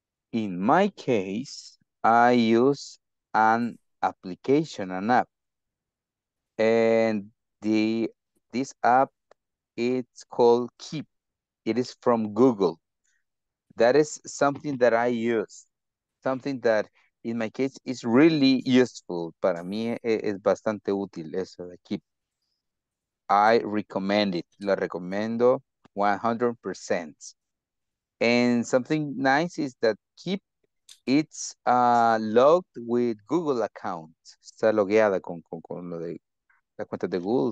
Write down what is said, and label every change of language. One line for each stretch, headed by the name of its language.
English: In my case, I use an application, an app. And the this app, it's called Keep. It is from Google. That is something that I use. Something that, in my case, is really useful.
Spanish: Para mí es bastante útil eso de Keep.
English: I recommend it.
Spanish: Lo recomiendo 100%.
English: And something nice is that Keep, it's logged with Google account.
Spanish: Está logueada con lo de la cuenta de Google.